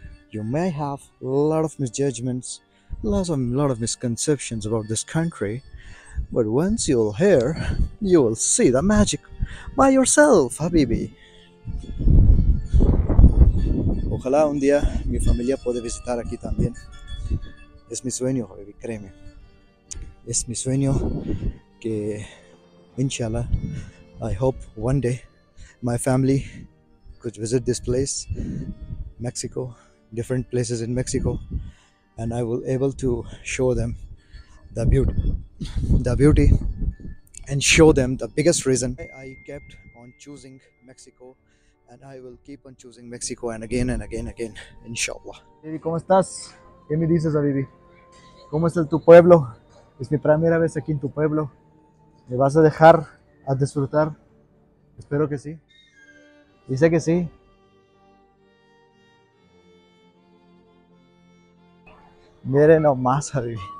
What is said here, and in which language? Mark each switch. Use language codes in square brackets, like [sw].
[en] You may have a lot of misjudgments, a lot of misconceptions about this country, but once you're here, you will see the magic by yourself, habibi. [es] Ojalá un día mi familia pueda visitar aquí también. Es mi sueño, habibi, créeme. Es mi sueño que, [en] inshallah, I hope one day my family could visit this place, Mexico, different places in Mexico, and I will able to show them the beauty, and show them the biggest reason I kept on choosing Mexico, and I will keep on choosing Mexico and again and again and again, inshallah. [es] Baby, ¿cómo estás? ¿Qué me dices, baby? ¿Cómo está tu pueblo? Es mi primera vez aquí en tu pueblo. ¿Me vas a dejar a disfrutar? Espero que sí. Dice que sí. Miren nomás, baby.